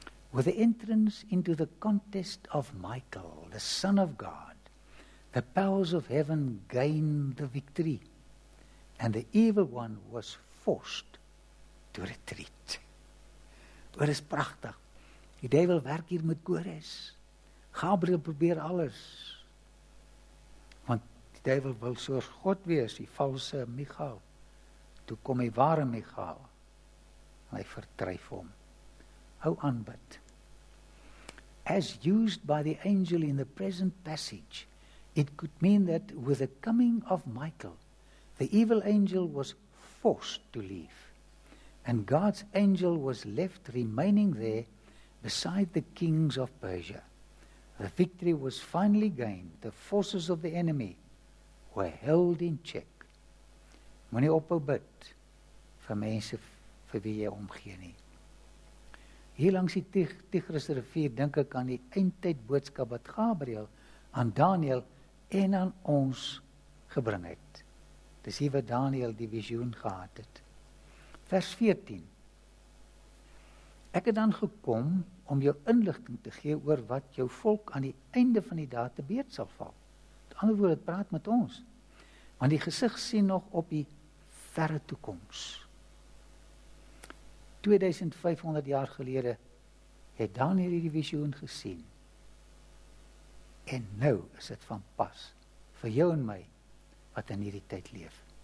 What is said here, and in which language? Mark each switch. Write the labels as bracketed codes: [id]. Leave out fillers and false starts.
[en] With the entrance into the contest of Michael, the Son of God, the powers of heaven gained the victory, and the evil one was forced to retreat. [af] Oor is prachtig. Die duivel werk hier met kores. Gabriel probeer alles. Want die duivel wil soos God wees, die valse Michael. Toe kom die ware Michael. Hy verdryf hom. Hou aan bid. [en] As used by the angel in the present passage, it could mean that with the coming of Michael, the evil angel was forced to leave, and God's angel was left remaining there beside the kings of Persia. The victory was finally gained. The forces of the enemy were held in check. [af] Moenie ophou bid vir mense vir wie jy omgee nie. Hier langs die Tigris rivier dink ek aan die eindtyd boodskap wat Gabriel aan Daniël en aan ons gebring het. Dis hier wat Daniël die visioen gehad het. Vers 14. Ek het dan gekom om jou inligting te gee oor wat jou volk aan die einde van die dae te beurt sal val. Met ander woorde, praat met ons. Want die gesig sien nog op die verre toekoms. 2500 jaar gelede het Daniël hierdie visioen gesien. En nou is dit van pas vir jou en my wat in hierdie tyd leef.